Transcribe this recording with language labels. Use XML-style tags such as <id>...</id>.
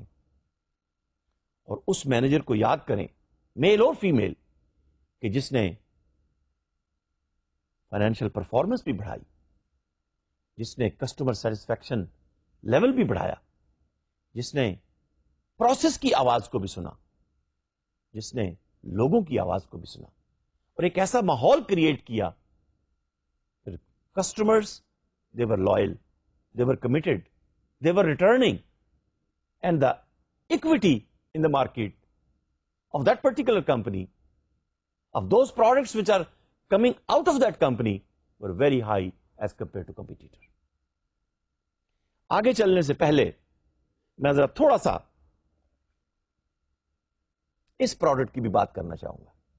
<ur>اور اس مینیجر کو یاد کریں, میل اور فیمیل, کہ جس نے فائنینشیل پرفارمنس بھی بڑھائی, جس نے کسٹمر سیٹسفیکشن لیول بھی بڑھایا, جس نے پروسیس کی آواز کو بھی سنا, جس نے لوگوں کی آواز کو بھی سنا, اور ایک ایسا ماحول کریٹ کیا. پھر</ur> <en>Customers they were loyal, they were committed, they were returning, and the equity in the market of that particular company, of those products which are coming out of that company, were very high as compared to competitor.</en> <ur>آگے چلنے سے پہلے میں ذرا تھوڑا سا اس product کی بھی بات کرنا چاہوں گا.</ur>